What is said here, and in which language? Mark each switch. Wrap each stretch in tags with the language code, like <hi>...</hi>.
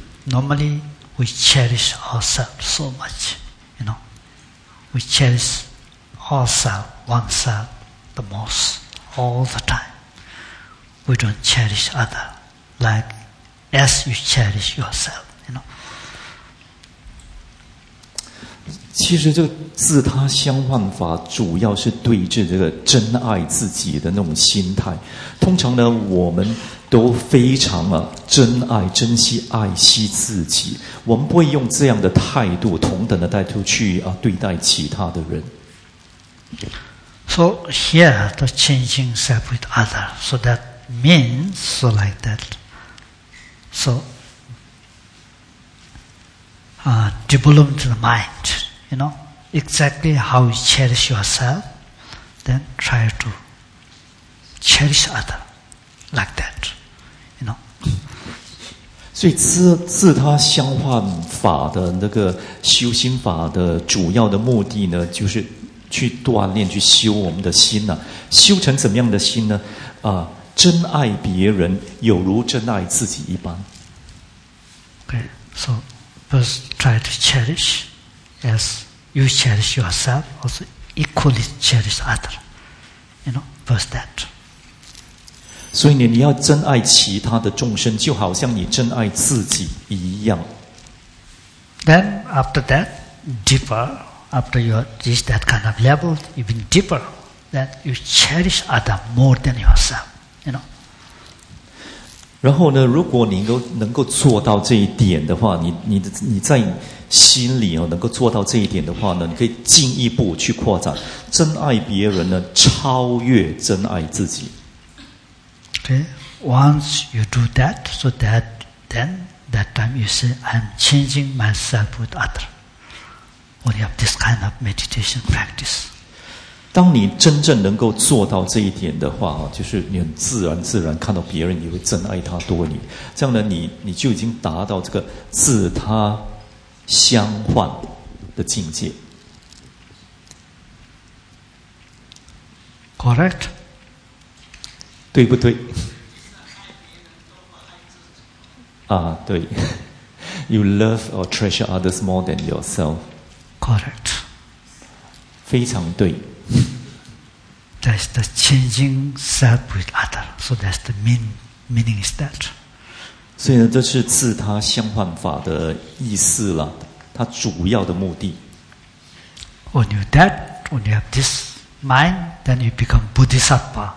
<en>normally we cherish ourselves so much, you know. We cherish ourselves, oneself, the most, all the time. We don't cherish other, like as you cherish yourself, you know.</en> <zh>其实这个自他相换法主要是对治这个真爱自己的那种心态。通常呢，我们都非常啊珍爱、珍惜、爱惜自己，我们不会用这样的态度、同等的态度去啊对待其他的人。</zh> <en>So here the changing self with others, so that means like that. So, developed the mind, you know, exactly how you cherish yourself, then try to cherish other like that, you know.</en> <zh>所以自他相换法的那个修心法的主要的目的呢，就是去锻炼去修我们的心呢、啊，修成怎么样的心呢？啊，珍爱别人有如珍爱自己一般。</zh> <en>Okay, so first try to cherish as you cherish yourself, also equally cherish other. You know, first that.</en> <zh>所以你要珍爱其他的众生，就好像你珍爱自己一样。</zh> <en>Then after that, deeper. After you reach that kind of level, even deeper, that you cherish other more than yourself, you know.</en> <zh>然后呢，如果你能够做到这一点的话，你在心里哦能够做到这一点的话呢，你可以进一步去扩展，珍爱别人呢超越珍爱自己。</zh> <en>Okay, once you do that, so that then that time you say, I'm changing myself with other. When you have this kind of meditation practice.</en> <zh>当你真正能够做到这一点的话，就是你很自然看到别人，你会珍爱他多你。这样呢，你就已经达到这个自他相换的境界。</zh> <en>Correct?</en> <zh>对不对？啊，对。</zh> <en>You love or treasure others more than yourself. Correct.</en> <zh>非常对。</zh> <en>That's the changing self with other. So that's the meaning is that.</en> <zh>所以呢，这是自他相换法的意思了，它主要的目的。</zh> <en>When you that, when you have this mind, then you become Bodhisattva.</en>